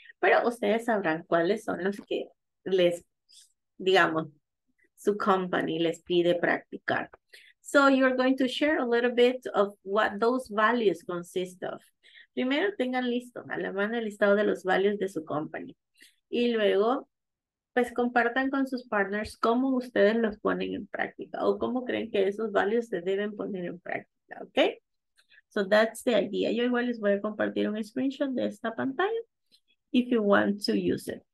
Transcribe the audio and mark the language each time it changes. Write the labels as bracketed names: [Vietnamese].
[Spanish] Pero ustedes sabrán cuáles son los que les, digamos, su company les pide practicar. [English] So you're going to share a little bit of what those values consist of. [Spanish] Primero tengan listo, a la mano, el listado de los values de su company. Y luego, pues compartan con sus partners cómo ustedes los ponen en práctica o cómo creen que esos values se deben poner en práctica, ¿ok? [English] So that's the idea. [Spanish] Yo igual les voy a compartir un screenshot de esta pantalla [English] if you want to use it.